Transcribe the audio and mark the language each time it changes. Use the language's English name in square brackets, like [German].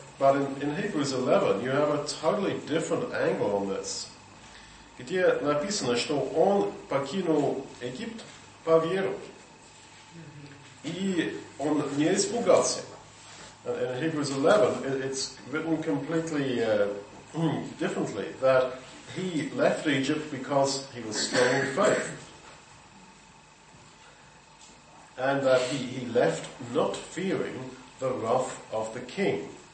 [English] But in Hebrews 11 you have a totally different angle on this. [Russian] Где написано, что он покинул Египет по веру. И он не испугался. [English] In Hebrews 11, it's written completely differently, that he left Egypt because he was strong in faith. And that he left not fearing the wrath of the king.